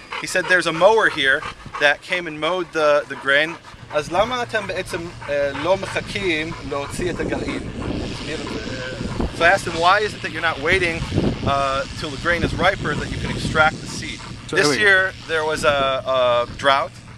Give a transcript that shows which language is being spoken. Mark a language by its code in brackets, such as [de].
[en] He said there's a mower here that came and mowed the grain. [he] אז למה אתם בעצם לא מחכים להוציא את הגרעין? [en] So I asked him, why is it that you're not waiting till the grain is riper that you can extract the seed? So this year there was a drought.